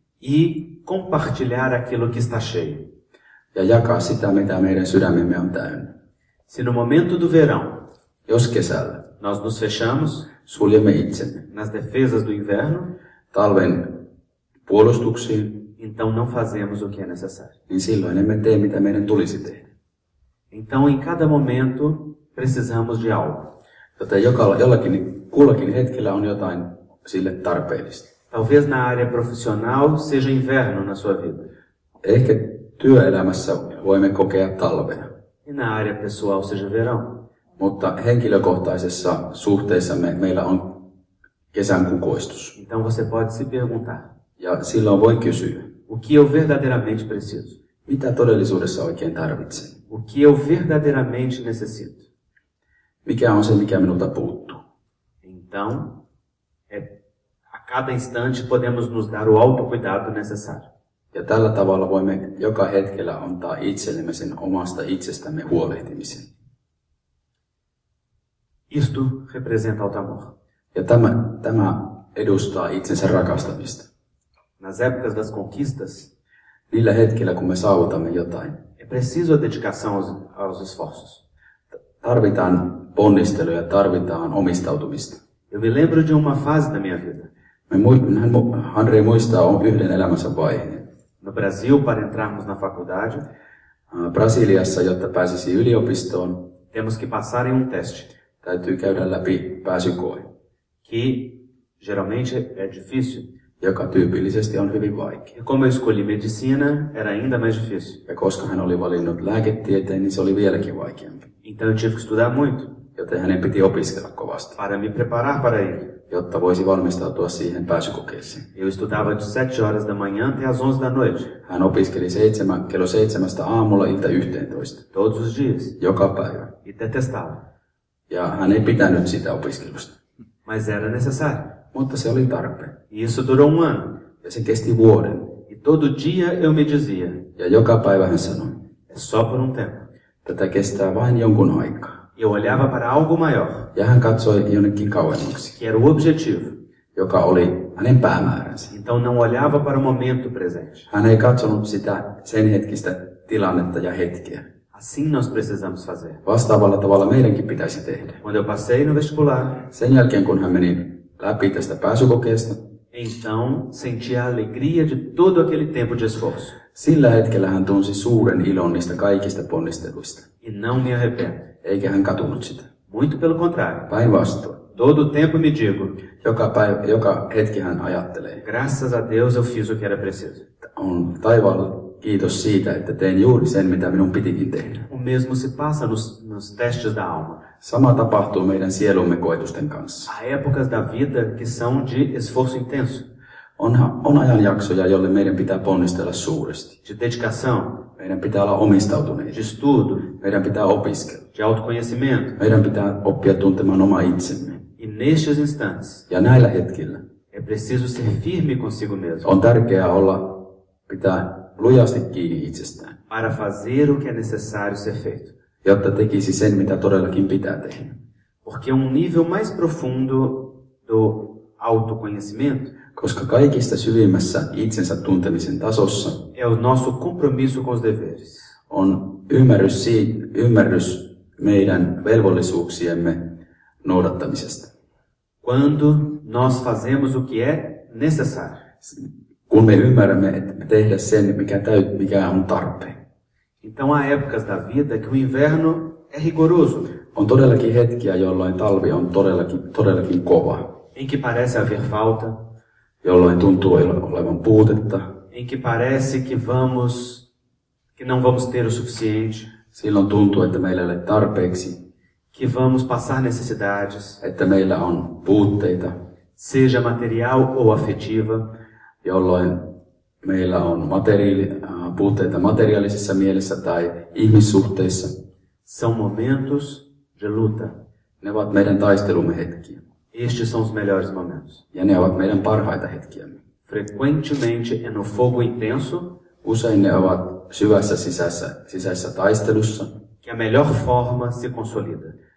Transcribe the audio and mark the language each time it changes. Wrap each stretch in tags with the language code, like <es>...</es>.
<pt>E compartilhar aquilo que está cheio.</pt> <fi>Ja jakaa sitä, mitä meidän sydämemme on täynnä.</fi> <pt>Se no momento do verão.</pt> <fi>Jos kesällä.</fi> <pt>Nós nos fechamos.</pt> <fi>Suljemme itsemme.</fi> <pt>Nas defesas do inverno.</pt> <fi>Talven puolustuksiin.</fi> <pt>Então não fazemos o que é necessário.</pt> <fi>Niin silloin emme tee, mitä meidän tulisi tehdä.</fi> <pt>Então em cada momento precisamos de algo.</pt> <fi>Jota kullakin hetkellä on jotain sille tarpeellista.</fi> <pt>Talvez na área profissional seja inverno na sua vida.</pt> <fi>Ehkä työelämässä voimme kokea talvea.</fi> <pt>E na área pessoal seja verão.</pt> <fi>Mutta henkilökohtaisessa suhteessa meillä on kesän kukoistus.</fi> <pt>Então você pode se perguntar.</pt> <fi>Ja silloin voi kysyä.</fi> <pt>O que eu verdadeiramente preciso?</pt> <fi>Mitä todellisuudessa oikein tarvitsen?</fi> <pt>O que eu verdadeiramente necessito?</pt> <fi>Mikä on se, mikä minulta puuttuu?</fi> <pt>Então, a cada instante podemos nos dar o autocuidado necessário.</pt> <fi>Ja tällä tavalla voimme joka hetkellä antaa itsellemme sen omasta itsestämme huolehtimisen.</fi> <pt>Isto representa o amor.</pt> <fi>Ja tämä edustaa itsensä rakastamista.</fi> <pt>Nas épocas das conquistas,</pt> <fi>niillä hetkellä, kun me saavutamme jotain,</fi> <pt>é preciso a dedicação aos esforços.</pt> <fi>Tarvitaan ponnisteluja, tarvitaan omistautumista.</fi> <pt>Eu me lembro de uma fase da minha vida.</pt> <fi>Andrei muistaa yhden elämänsä vaiheen.</fi> <pt>No Brasil, para entrarmos na faculdade,</pt> <fi>Brasiliassa, jotta pääsisi yliopistoon,</fi> <pt>temos que passar em teste.</pt> <fi>Täytyy käydä läpi pääsykoe.</fi> <pt>Que geralmente é difícil.</pt> <fi>Joka tyypillisesti on hyvin vaikea.</fi> <pt>E como eu escolhi medicina, era ainda mais difícil.</pt> <fi>Ja koska hän oli valinnut lääketieteen, niin se oli vieläkin vaikeampi.</fi> <pt>Então eu tive que estudar muito.</pt> <fi>Joten hänen piti opiskella kovasti.</fi> <pt>Para me preparar para ele.</pt> <fi>Jotta voisi valmistautua siihen pääsykokeeseen.</fi> <pt>Eu estudava de 7 horas da manhã até às 11 da noite.</pt> <fi>Hän opiskeli kello 7 aamulla ilta 11.</fi> <pt>Todos os dias.</pt> <fi>Joka päivä.</fi> <pt>E detestava.</pt> <fi>Ja hän ei pitänyt sitä opiskelusta.</fi> <pt>Mas era necessário.</pt> <fi>Mutta se oli tarpeen.</fi> <pt>E isso durou ano.</pt> <fi>Ja se kesti vuoden.</fi> <pt>E todo dia eu me dizia.</pt> <fi>Ja joka päivä hän sanoi.</fi> <pt>É só por tempo.</pt> <fi>Tätä kestää vain jonkun aikaa.</fi> <pt>E eu olhava para algo maior.</pt> <fi>Ja hän katsoi jonnekin kauemmaksi.</fi> <pt>Que era o objetivo.</pt> <fi>Joka oli hänen päämääränsä.</fi> <pt>Então não olhava para o momento presente.</pt> <fi>Hän ei katsonut sitä sen hetkistä tilannetta ja hetkeä.</fi> <pt>Assim nós precisamos fazer.</pt> <fi>Vastaavalla tavalla meidänkin pitäisi tehdä.</fi> <pt>Quando eu passei no vestibular.</pt> <fi>Sen jälkeen kun hän meni läpi tästä pääsykokeesta.</fi> <pt>Então senti a alegria de todo aquele tempo de esforço.</pt> <fi>Sillä hetkellä hän tunsi suuren ilon niistä kaikista ponnisteluista.</fi> <pt>E não me arrependo.</pt> <fi>Eikä hän katunut sitä.</fi> <pt>Muito pelo contrário.</pt> <fi>Päinvastoin.</fi> <pt>Todo tempo me digo.</pt> <fi>Joka hetki hän ajattelee.</fi> <pt>Graças a Deus eu fiz o que era preciso.</pt> <fi>On taivaalla kiitos siitä, että tein juuri sen, mitä minun pitikin tehdä.</fi> <pt>O mesmo se passa nos testes da alma.</pt> <fi>Sama tapahtuu meidän sielumme koetusten kanssa.</fi> <pt>Há épocas da vida que são de esforço intenso.</pt> <fi>On ajanjaksoja, jolle meidän pitää ponnistella suuresti.</fi> <pt>De dedicação.</pt> <fi>Meidän pitää olla omistautuneita.</fi> <pt>De estudo.</pt> <fi>Meidän pitää opiskella.</fi> <pt>De autoconhecimento.</pt> <fi>Meidän pitää oppia tuntemaan oma itsemme.</fi> <pt>E nestes instantes.</pt> <fi>Ja näillä hetkillä.</fi> <pt>É preciso ser firme consigo mesmo.</pt> <fi>On tärkeää olla, pitää lujasti kiinni itsestään.</fi> <pt>Para fazer o que é necessário ser feito.</pt> <fi>Jotta tekisi sen, mitä todellakin pitää tehdä.</fi> <pt>Porque um nível mais profundo do autoconhecimento.</pt> <fi>Koska kaikista syvimmässä itsensä tuntemisen tasossa.</fi> <pt>É o nosso compromisso com os deveres.</pt> <fi>On ymmärrys meidän velvollisuuksiemme noudattamisesta.</fi> <pt>Quando nós fazemos o que é necessário.</pt> <fi>Kun me ymmärrämme, että me tehdä sen, mikä on tarpeen.</fi> <pt>Então há épocas da vida que o inverno é rigoroso.</pt> <fi>On todellakin hetkiä, jolloin talvi on todellakin kova.</fi> <pt>Em que parece haver falta.</pt> <fi>Jolloin tuntuu olevan puutetta.</fi> <pt>Em que parece que não vamos ter o suficiente.</pt> <fi>Silloin tuntuu, että meillä ei ole tarpeeksi.</fi> <pt>Que vamos passar necessidades.</pt> <fi>Että meillä on puutteita.</fi> <pt>Seja material ou afetiva.</pt> <fi>Jolloin meillä on puutteita materiaalisessa mielessä tai ihmissuhteissa.</fi> <pt>São momentos de luta.</pt> <fi>Ne ovat meidän taistelumme hetkiä.</fi> <pt>Estes são os melhores momentos.</pt> <fi>Ja ne ovat meidän parhaita hetkiämme.</fi> <pt>Frequentemente é no fogo intenso.</pt> <fi>Usein ne ovat syvässä sisäisessä taistelussa.</fi> <pt>Que a melhor forma se consolida.</pt>